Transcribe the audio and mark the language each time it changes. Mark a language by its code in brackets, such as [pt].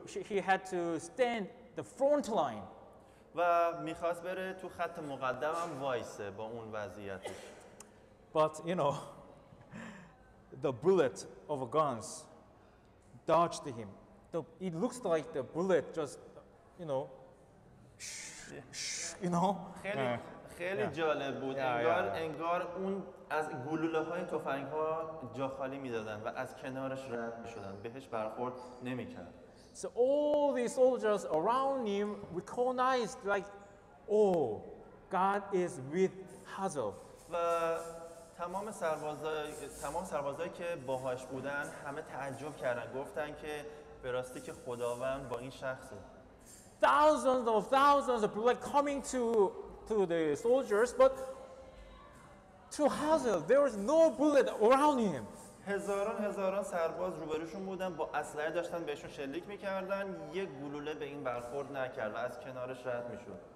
[en] He had to stand the front line. [fa] و میخواست بره تو خط مقدم هم وایسه با اون وضعیتش. [en] But you know, the bullet of a guns dodged him. It looks like the bullet just, you know, you know. [fa] خیلی yeah. جالب بود. انگار اون از گلوله های تفنگ ها جا خالی میدادن و از کنارش رد میشدن. بهش برخورد نمیکرد. [en] So all these soldiers around him recognized, like, oh, God is with Hazel. [fa] و تمام سربازایی که باهاش بودن همه تعجب کردن، گفتن که به راستی که خداوند با این شخصه. [en] Thousands of thousands of people coming to the soldiers, but to Hazel there was no bullet around him. [fa] هزاران سرباز روبروشون بودن، با اسلحه داشتن بهشون شلیک میکردن، یک گلوله به این برخورد نکرد و از کنارش رد میشد.